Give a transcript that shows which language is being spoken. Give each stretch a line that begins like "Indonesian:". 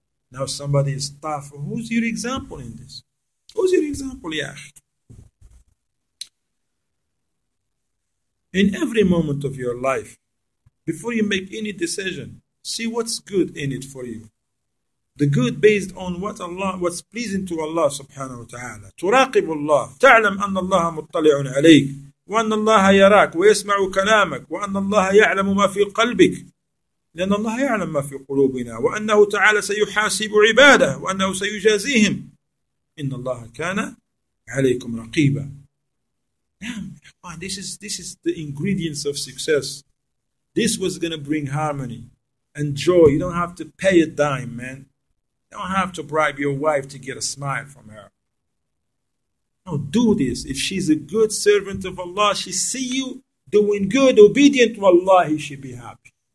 English: Now somebody is tough. Who's your example in this? Who's your example, Yah? In every moment of your life, before you make any decision, see what's good in it for you. The good based on what Allah, what's pleasing to Allah subhanahu wa ta'ala.
Arabic: تُرَاقِبُ اللَّهِ تَعْلَمْ أَنَّ اللَّهَ مُطَّلِعٌ عَلَيْكَ وأن الله يراك ويسمع كلامك وأن الله يعلم ما في قلبك لأن الله يعلم ما في قلوبنا وأنه تعالى سيحاسب عباده وأنه سيجازيهم إن الله كان عليكم رقيبا.
English: This is the ingredients of success. This was gonna bring harmony and joy. You don't have to pay a dime, man. You don't have to bribe your wife to get a smile from her. Now do this. If she's a good servant of Allah, she see you doing good, obedient to Allah, he should be happy.